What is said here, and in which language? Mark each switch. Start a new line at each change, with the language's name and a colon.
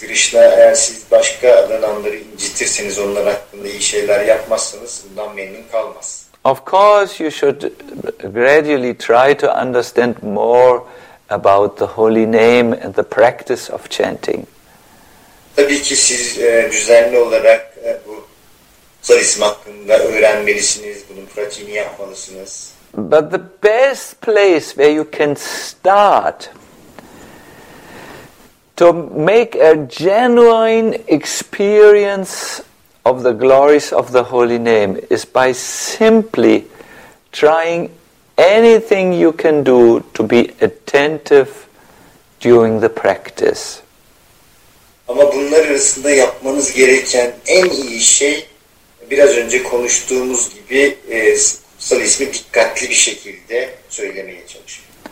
Turkish: Krishna, eğer siz başka adananları incitirseniz, onlar hakkında iyi şeyler yapmazsanız, bundan memnun kalmaz.
English: Of course, you should gradually try to understand more about the holy name and the practice of chanting.
Turkish: Tabii ki siz düzenli olarak bu kutsal isim hakkında öğrenmelisiniz, bunun pratiğini yapmalısınız.
English: But the best place where you can start to make a genuine experience of the glories of the holy name is by simply trying anything you can do to be attentive during the practice.
Turkish: Ama bunlar arasında yapmanız gereken en iyi şey, biraz önce konuştuğumuz gibi, kutsal ismi dikkatli bir şekilde söylemeye çalışmak.